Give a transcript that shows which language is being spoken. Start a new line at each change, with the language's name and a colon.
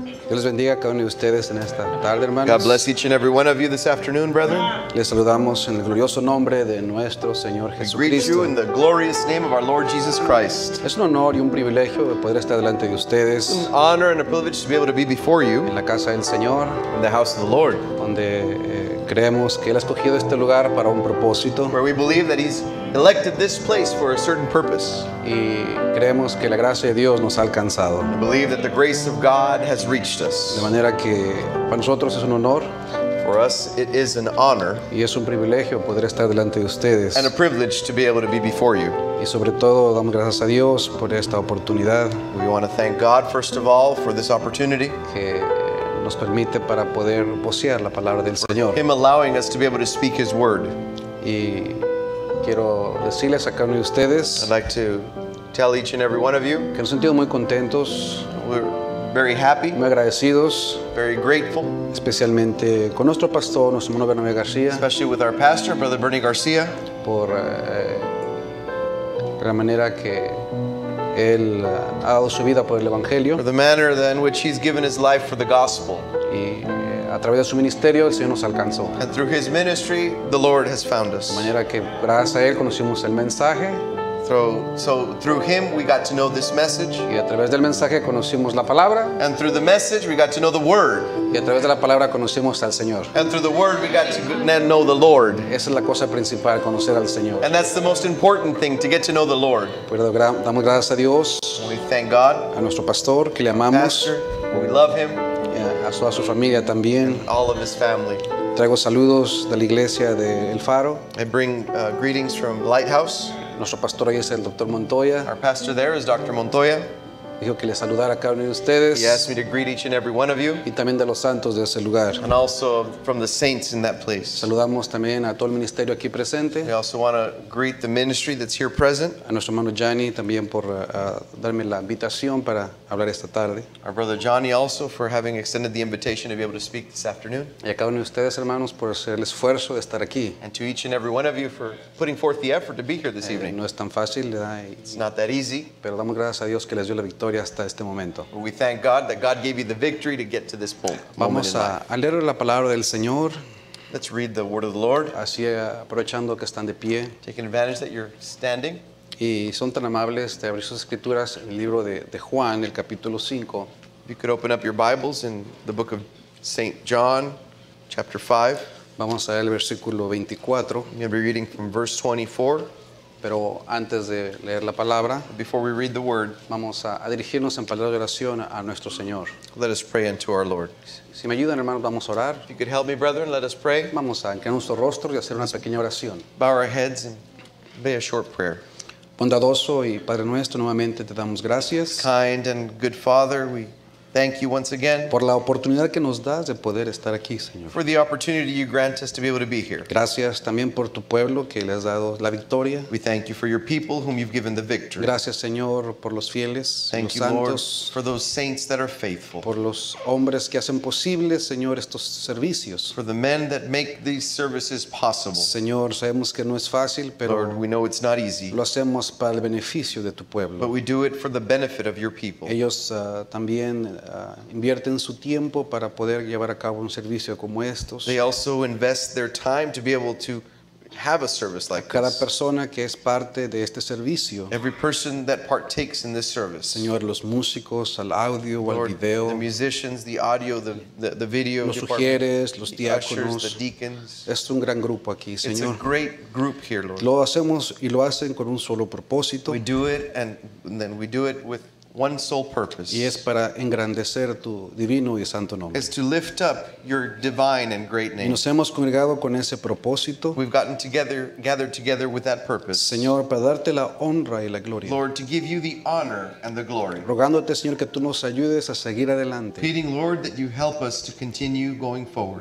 Spanish: les bendiga a cada uno de ustedes en esta tarde, hermanos.
English: God bless each and every one of you this afternoon, brethren.
Spanish: Les saludamos en el glorioso nombre de nuestro Señor Jesucristo.
English: We greet you in the glorious name of our Lord Jesus Christ.
Spanish: Es un honor y un privilegio poder estar delante de ustedes.
English: It's an honor and a privilege to be able to be before you.
Spanish: En la casa del Señor.
English: In the house of the Lord.
Spanish: Donde creemos que Él ha escogido este lugar para un propósito.
English: Where we believe that He's elected this place for a certain purpose.
Spanish: Y creemos que la gracia de Dios nos ha alcanzado.
English: We believe that the grace of God has reached us.
Spanish: De manera que para nosotros es un honor.
English: For us, it is an honor.
Spanish: Y es un privilegio poder estar delante de ustedes.
English: And a privilege to be able to be before you.
Spanish: Y sobre todo, damos gracias a Dios por esta oportunidad.
English: We want to thank God, first of all, for this opportunity.
Spanish: Que nos permite para poder vocear la palabra del Señor.
English: Him allowing us to be able to speak His word.
Spanish: Y quiero decirles a cada uno de ustedes,
English: I'd like to tell each and every one of you,
Spanish: que nos sentimos muy contentos,
English: we're very happy,
Spanish: muy agradecidos,
English: very grateful,
Spanish: especialmente con nuestro pastor, nuestro hermano Bernie García,
English: especially with our pastor, Brother Bernie García,
Spanish: por la manera que él ha dado su vida por el evangelio,
English: for the manner in which he's given his life for the gospel.
Spanish: Y a través de su ministerio el Señor nos alcanzó.
English: And through his ministry the Lord has found us.
Spanish: De manera que gracias a él conocimos el mensaje.
English: So through him we got to know this message.
Spanish: Y a través del mensaje conocimos la palabra.
English: And through the message we got to know the word.
Spanish: Y a través de la palabra conocimos al Señor.
English: And through the word we got to know the Lord.
Spanish: Esa es la cosa principal, conocer al Señor.
English: And that's the most important thing, to get to know the Lord.
Spanish: Pero damos gracias a Dios.
English: We thank God.
Spanish: A nuestro pastor que le amamos.
English: Pastor, we love him.
Spanish: A su familia también.
English: All of his family.
Spanish: Traigo saludos de la iglesia de El Faro.
English: I bring greetings from Lighthouse.
Spanish: Nuestro pastor ahí es el Dr. Montoya.
English: Our pastor there is Dr. Montoya.
Spanish: Dijo que le saludara a cada uno de ustedes.
English: He asked me to greet each and every one of you.
Spanish: Y también de los santos de ese lugar.
English: And also from the saints in that place.
Spanish: Saludamos también a todo el ministerio aquí presente.
English: We also want to greet the ministry that's here present.
Spanish: A nuestro hermano Johnny también por darme la invitación para hablar esta tarde.
English: Our brother Johnny also for having extended the invitation to be able to speak this afternoon.
Spanish: Y a cada uno de ustedes, hermanos, por hacer el esfuerzo de estar aquí.
English: And to each and every one of you for putting forth the effort to be here this evening.
Spanish: No es tan fácil,
English: it's not that easy.
Spanish: Pero damos gracias a Dios que les dio la victoria. Hasta este momento.
English: We thank God that God gave you the victory to get to this point.
Spanish: Vamos a leer la palabra del Señor.
English: Let's read the word of the Lord.
Spanish: Así aprovechando que están de pie.
English: Taking advantage that you're standing.
Spanish: Y son tan amables de abrir sus escrituras en el libro de Juan, el capítulo 5.
English: You could open up your Bibles in the book of St. John, chapter 5.
Spanish: Vamos a leer el versículo 24.
English: I'm going to be reading from verse 24.
Spanish: Pero antes de leer la palabra,
English: before we read the word,
Spanish: vamos a dirigirnos en palabra de oración a nuestro Señor.
English: Let us pray unto our Lord.
Spanish: Si me ayudan, hermanos, vamos a orar.
English: If you could help me, brethren, let us pray.
Spanish: Vamos a inclinar nuestro rostro y hacer una pequeña oración.
English: Bow our heads and be a short prayer.
Spanish: Bondadoso y Padre nuestro, nuevamente te damos gracias.
English: Kind and good Father, we thank you once again.
Spanish: Por la oportunidad que nos das de poder estar aquí, Señor.
English: For the opportunity you grant us to be able to be here.
Spanish: Gracias también por tu pueblo que le has dado la victoria.
English: We thank you for your people whom you've given the victory.
Spanish: Gracias, Señor, por los fieles,
English: thank
Spanish: los
English: you,
Spanish: santos.
English: Lord, for those saints that are faithful.
Spanish: Por los hombres que hacen posible, Señor, estos servicios.
English: For the men that make these services possible.
Spanish: Señor, sabemos que no es fácil, pero
English: Lord, we know it's not easy.
Spanish: Lo hacemos para el beneficio de tu pueblo.
English: But we do it for the benefit of your people.
Spanish: Ellos también invierten su tiempo para poder llevar a cabo un servicio como estos.
English: They also invest their time to be able to have a service like this.
Spanish: Cada persona que es parte de este servicio.
English: Every person that partakes in this service.
Spanish: Señor, los músicos, al audio, al video.
English: The musicians, the audio, the video.
Spanish: Los sugieres, los diáconos.
English: The deacons.
Spanish: Es un gran grupo aquí, Señor.
English: It's a great group here, Lord.
Spanish: Lo hacemos y lo hacen con un solo propósito.
English: We do it and then we do it with one sole purpose.
Spanish: Y es para engrandecer tu divino y santo nombre.
English: Is to lift up your divine and great name.
Spanish: Y nos hemos congregado con ese propósito.
English: We've gotten together, gathered together with that purpose.
Spanish: Señor, para darte la honra y la gloria.
English: Lord, to give you the honor and the glory.
Spanish: Rogándote, Señor, que tú nos ayudes a seguir adelante.
English: Pleading, Lord, that you help us to continue going forward.